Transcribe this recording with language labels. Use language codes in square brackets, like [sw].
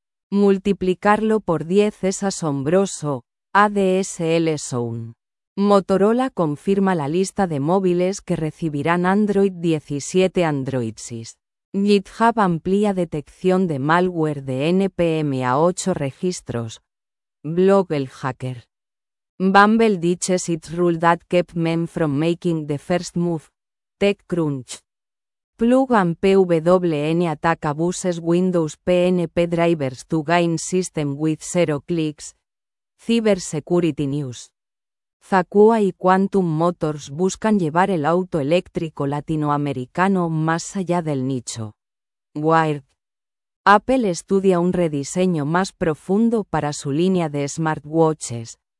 [es] Multiplicarlo por 10 es asombroso, ADSL Zone. Motorola confirma la lista de móviles que recibirán Android 17 Androidsis. GitHub amplía detección de malware de NPM a 8 registros. Blog El Hacker. [en] Bumble ditches its rule that kept men from making the first move. TechCrunch. Plug and PWN attack abuses Windows PNP drivers to gain system with zero clicks. Cyber Security News. [es] Zacua y Quantum Motors buscan llevar el auto eléctrico latinoamericano más allá del nicho. Wired. Apple estudia un rediseño más profundo para su línea de smartwatches.